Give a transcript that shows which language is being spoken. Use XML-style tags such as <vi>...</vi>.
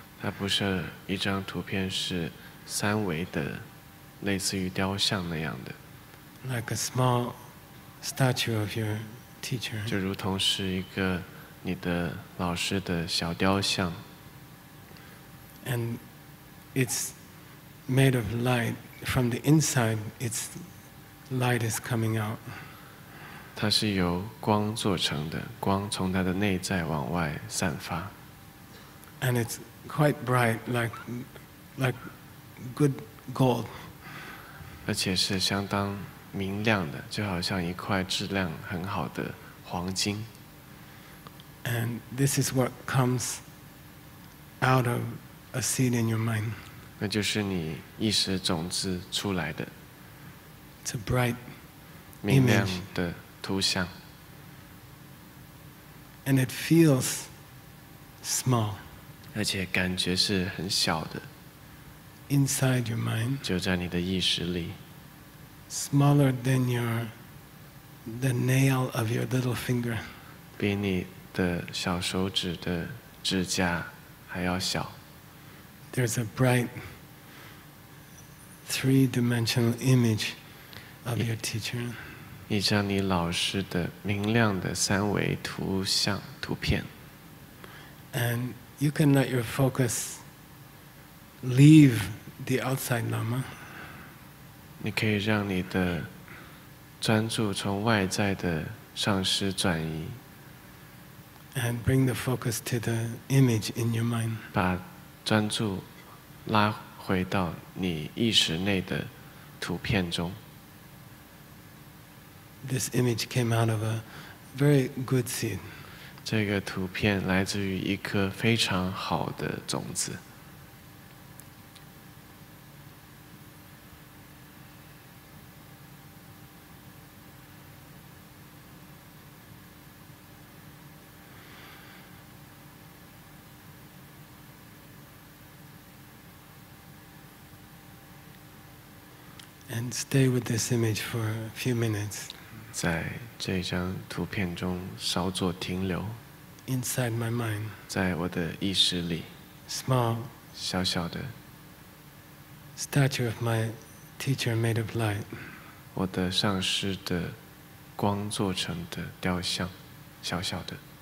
<zh>它不是一张图片，是三维的，类似于雕像那样的。</zh> <en>Like a small statue of your teacher.</en> <zh>就如同是一个你的老师的小雕像。</zh> <en>And it's made of light. From the inside, its light is coming out.</en> <zh>它是由光做成的，光从它的内在往外散发。</zh> <en>And it's quite bright, like good gold.</en> <zh>而且是相当明亮的，就好像一块质量很好的黄金。</zh> <en>And this is what comes out of a seed in your mind.</en> <zh>那就是你意识种子出来的。</zh> <en>It's a bright</en> <zh>image. 明亮的图像。</zh> <en>And it feels small.</en> <zh>而且感觉是很小的。</zh> <en>Inside your mind.</en> <zh>就在你的意识里。</zh> <en>smaller than your the nail of your little finger.</en> <zh>比你的小手指的指甲还要小。</zh> <en>There's a bright three-dimensional image of your teacher.</en> <zh>一张你老师的明亮的三维图像图片。</zh> <en>And you can let your focus leave the outside lama.</en> <zh>你可以让你的专注从外在的上师转移。</zh> <en>And bring the focus to the image in your mind.</en> <zh>把专注拉回到你意识内的图片中。</zh> <en>This image came out of a very good seed.</en> <zh>这个图片来自于一颗非常好的种子。</zh> <en>And stay with this image for a few minutes.</en> <zh>在这张图片中稍作停留。</zh> <en>Inside my mind.</en> <zh>在我的意识里。</zh> <en>Small.</en> <zh>小小的。</zh> <en>Statue of my teacher made of light.</en> <zh>我的上师的光做成的雕像，小小的。</zh>